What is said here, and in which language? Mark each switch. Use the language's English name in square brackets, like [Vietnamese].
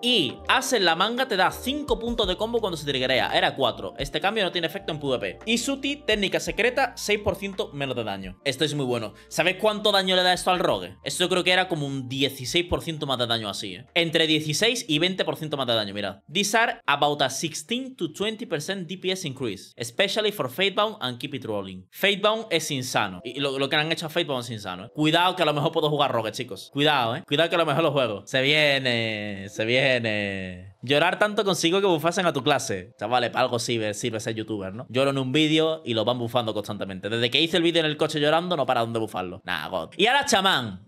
[Spanish] Y as en la manga te da 5 puntos de combo cuando se triggerea, era 4. Este cambio no tiene efecto en PvP. Y Suti, técnica secreta, 6% menos de daño. Esto es muy bueno. ¿Sabes cuánto daño le da esto al Rogue? Esto yo creo que era como un 16% más de daño así, ¿eh? Entre 16 y 20% más de daño, mirad. [English] These are about a 16 to 20% DPS increase. Especially for Fatebound and keep it rolling. [Spanish] Fatebound es insano. Y lo que le han hecho a Fatebound es insano, ¿eh? Cuidado que a lo mejor puedo jugar Rogue, chicos. Cuidado, ¿eh? Cuidado que a lo mejor lo juego. Se viene. Llorar tanto consigo que bufasen a tu clase. Chavales, para algo sirve ser youtuber, ¿no? Lloro en un vídeo y lo van bufando constantemente. Desde que hice el vídeo en el coche llorando, no paran de bufarlo. Nah, God. Y ahora chamán.